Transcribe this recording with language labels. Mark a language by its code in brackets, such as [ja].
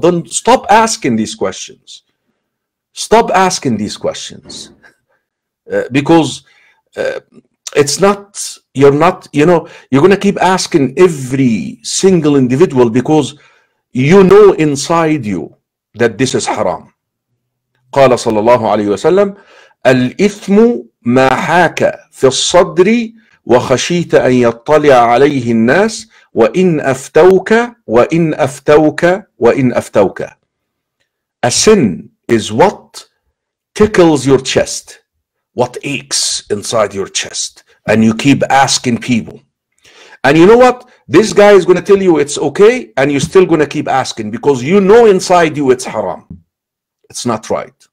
[en] Don't stop asking these questions. Stop asking these questions. It's not, you're not, you know, you're going to keep asking every single individual because you know inside you that this is haram. [ar] قال صلى الله عليه وسلم الإثم ما حاك في الصدر وخشيت أن يطلع عليه الناس وإن أفتوك وإن أفتوك وإن أفتوك. [en] A sin is what tickles your chest, what aches inside your chest. And you keep asking people. And you know what? This guy is going to tell you it's okay, and you're still going to keep asking because you know inside you it's haram. It's not right.